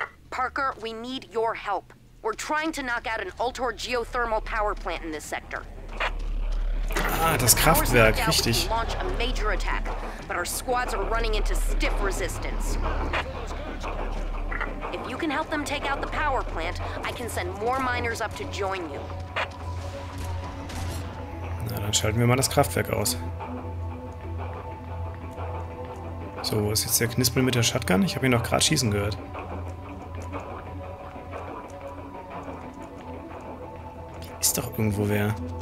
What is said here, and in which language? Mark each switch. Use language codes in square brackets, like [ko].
[en] Parker, we need your help. We're trying to knock out an Ultor geothermal power plant in this sector. [de] Ah, das Kraftwerk, richtig. [en] Launch a major attack, but our squads are running into stiff resistance. If you can help them take out the power plant, I can send more miners up to join you. [de] Na, dann schalten wir mal das Kraftwerk aus. So, wo ist jetzt der Knispel mit der Shotgun? Ich habe ihn noch gerade schießen gehört. Ist doch irgendwo wer.